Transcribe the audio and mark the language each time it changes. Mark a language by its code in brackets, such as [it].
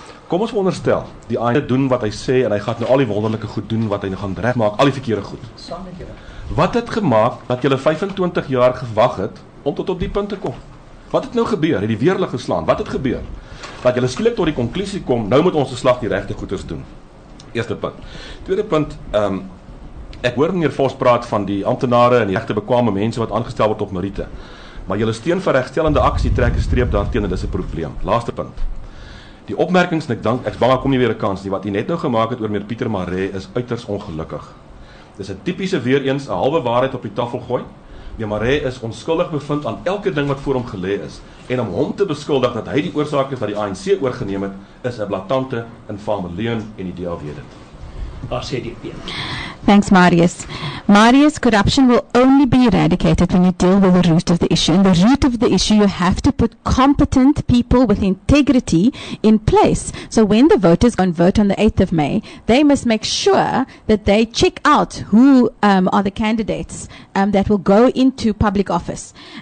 [af] Kom ons veronderstel, die ANC doen wat hy sê en hy gaan nou al die wonderlike goed doen wat hy nou gaan reg maak, al die verkeerde goed. Saam met julle. Wat het gemaak dat julle 25 jaar gewag het om tot op die punt te kom? Wat het nou gebeur? Het die weerlig geslaan? Wat het gebeur? Dat julle skielik tot die konklusie kom, nou moet ons geslag die regte goeders doen. Eerste punt. Tweede punt, ek hoor meneer Vos praat van die ambtenare en die regte bekwame mense wat aangestel word op meriete. Maar julle steun vir regstellende aksie trek 'n streep daarteen en dis 'n probleem. Laaste punt. Die opmerkings, ek is bang, kom nie weer 'n kans nie, wat u net nou gemaak het oor meneer Pieter Maree is uiters ongelukkig. Dis 'n typiese weer eens, 'n halwe waarheid op die tafel gooi. Die Maree is onskuldig bevind aan elke ding wat voor hom gelê is. En om hom te beskuldig dat hy die oorsaak is wat die ANC oorgeneem het, is 'n blatante infame leuen en die DA weet dit. Waar sê die PM? [en] Thanks, Marius. Marius, corruption will only be eradicated when you deal with the root of the issue. And the root of the issue, you have to put competent people with integrity in place. So when the voters go and vote on the 8th of May, they must make sure that they check out who are the candidates that will go into public office.